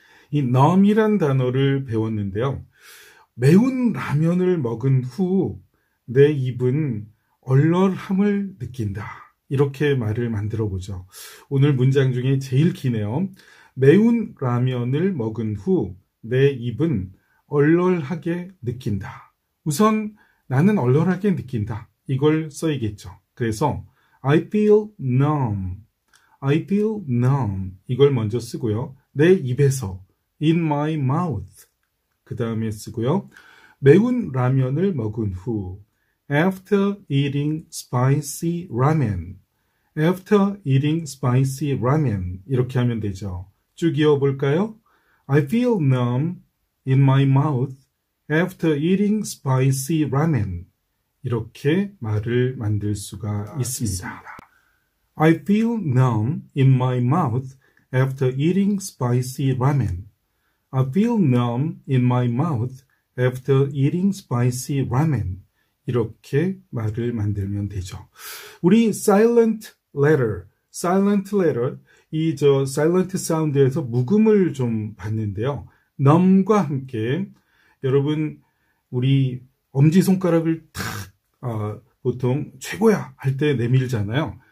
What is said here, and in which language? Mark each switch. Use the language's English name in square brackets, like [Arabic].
[Korean] 이 numb이란 단어를 배웠는데요. 매운 라면을 먹은 후 내 입은 얼얼함을 느낀다. 이렇게 말을 만들어 보죠. 오늘 문장 중에 제일 기네요. 매운 라면을 먹은 후 내 입은 얼얼하게 느낀다. 우선 나는 얼얼하게 느낀다. 이걸 써야겠죠. 그래서 [English] I feel numb. I feel numb. [Korean] 이걸 먼저 쓰고요. 내 입에서 [English] in my mouth. [Korean] 그 다음에 쓰고요. 매운 라면을 먹은 후 [English] after eating spicy ramen. After eating spicy ramen. [Korean] 이렇게 하면 되죠. 쭉 이어볼까요? [English] I feel numb in my mouth after eating spicy ramen. [Korean] 이렇게 말을 만들 수가 있습니다. 있습니다. [English] I feel numb in my mouth after eating spicy ramen. I feel numb in my mouth after eating spicy ramen. [Korean] 이렇게 말을 만들면 되죠. 우리 silent letter, silent letter, 이 저 silent sound에서 묵음을 좀 봤는데요. numb과 함께 여러분 우리 엄지손가락을 탁 보통 최고야 할 때 내밀잖아요.